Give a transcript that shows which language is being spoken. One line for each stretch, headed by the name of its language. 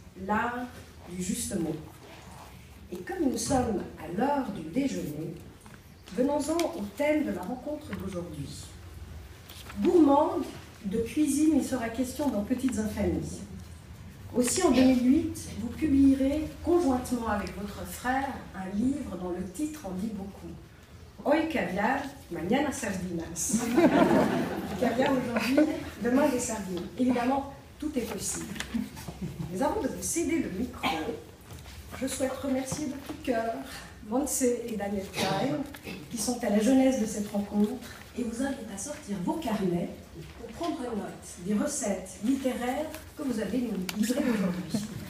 French: L'art du juste mot. Et comme nous sommes à l'heure du déjeuner, venons-en au thème de la rencontre d'aujourd'hui. Gourmande de cuisine, il sera question dans Petites Infamies. Aussi en 2008, vous publierez conjointement avec votre frère un livre dont le titre en dit beaucoup.
Spanish: Hoy caviar, mañana sardinas.
French: Caviar aujourd'hui, demain des sardines. Évidemment, tout est possible. Mais avant de vous céder le micro, je souhaite remercier de tout cœur Monse et Daniel Klein, qui sont à la genèse de cette rencontre, et vous invite à sortir vos carnets pour prendre note des recettes littéraires que vous avez nous livrées aujourd'hui.